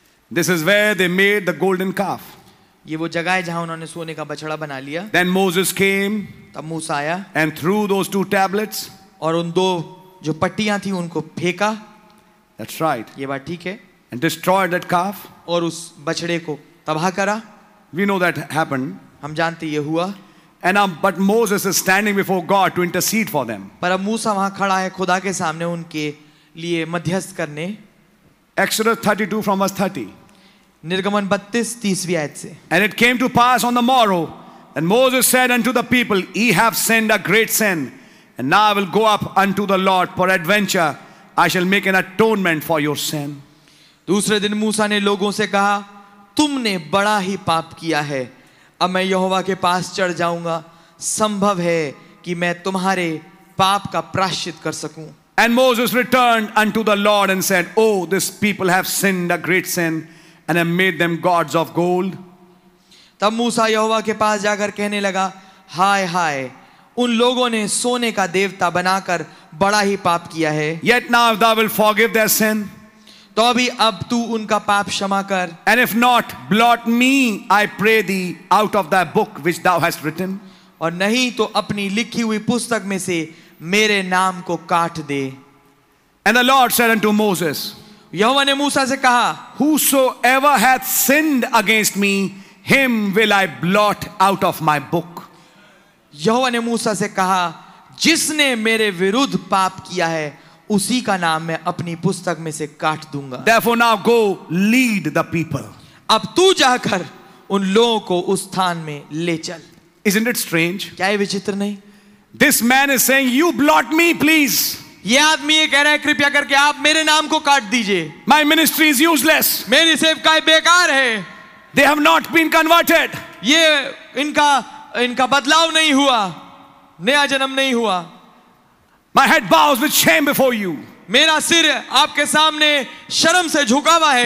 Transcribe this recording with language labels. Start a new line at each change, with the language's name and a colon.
English: This is where they made the golden calf.
Hindi: ये वो जगह है जहाँ उन्होंने सोने का बछड़ा बना लिया.
English: Then Moses came.
Hindi: तब मूसा आया.
English: And threw those two tablets.
Hindi: और उन दो जो पट्टियाँ थीं उनको फेंका.
English: That's right.
Hindi: ये बात ठीक है.
English: And destroyed that calf.
Hindi: और उस बछड़े को तबाह करा.
English: We know that happened.
Hindi: हम जानते ये हुआ.
English: And but Moses is standing before God to intercede for them.
Hindi: पर अब मूसा वहाँ खड़ा है खुदा के सामने उनके लिए मध्यस्थ करने.
English: Exodus 32 from verse 30.
Hindi: Nirgaman 32:30 ayat se.
English: And it came to pass on the morrow, and Moses said unto the people, Ye have sinned a great sin, and now I will go up unto the Lord. Peradventure, I shall make an atonement for your sin.
Hindi: दूसरे दिन मूसा ने लोगों से कहा, तुमने बड़ा ही पाप किया है. अब मैं यहोवा के पास चढ़ जाऊँगा. संभव है कि मैं तुम्हारे पाप का प्रायश्चित कर सकूँ.
English: And Moses returned unto the Lord and said, Oh, this people have sinned a great sin and have made them gods of gold.
Hindi: तब मूसा यहोवा के पास जाकर कहने लगा, हाय हाय, उन लोगों ने सोने का देवता बनाकर बड़ा ही पाप किया है.
English: Yet now if thou will forgive their sin,
Hindi: तो भी अब तू उनका पाप क्षमा कर.
English: And if not, blot me, I pray thee, out of thy book which thou hast written.
Hindi: और नहीं तो अपनी लिखी हुई पुस्तक में से मेरे नाम को काट दे.
English: And the Lord said unto Moses,
Hindi: यहोवा ने मूसा से कहा,
English: Whosoever hath sinned against me, him will I blot out of my book.
Hindi: यहोवा ने मूसा से कहा, जिसने मेरे विरुद्ध पाप किया है, उसी का नाम मैं अपनी पुस्तक में से काट दूंगा.
English: Therefore now go lead the people.
Hindi: अब तू जाकर उन लोगों को उस स्थान में ले चल.
English: Isn't it strange?
Hindi: क्या ये विचित्र नहीं?
English: This man is saying, "You blot me, please."
Hindi: ये आदमी ये कह रहा है कृपया करके आप मेरे नाम को काट दीजिए.
English: My ministry is useless.
Hindi: मेरी सेवकाई बेकार है.
English: They have not been converted.
Hindi: ये इनका इनका बदलाव नहीं हुआ. नया जन्म नहीं हुआ.
English: My head bows with shame before you.
Hindi: मेरा सिर आपके सामने शर्म से झुका हुआ है.